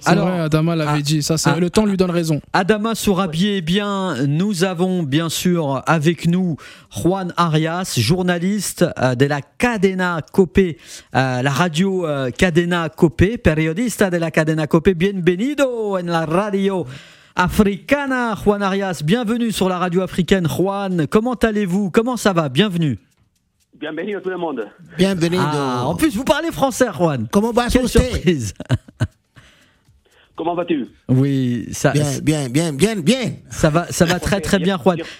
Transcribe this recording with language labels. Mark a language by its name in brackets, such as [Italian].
[French] Alors, vrai, Adama l'avait dit, ça, c'est le temps lui donne raison. Adama Sourabié, bien, nous avons bien sûr avec nous Juan Arias, journaliste de la Cadena Copé, la radio Cadena Copé, [Spanish] periodista de la Cadena Copé. Bienvenido en la radio africana, Juan Arias. [French] Bienvenue sur la radio africaine, Juan. Comment allez-vous? Comment ça va? Bienvenue. Bienvenue à tout le monde. Bienvenue. En plus, vous parlez français, Juan. Comment va-t-il? Quelle surprise. Comment vas-tu? Oui, ça. Bien. Ça va très très bien, Juan.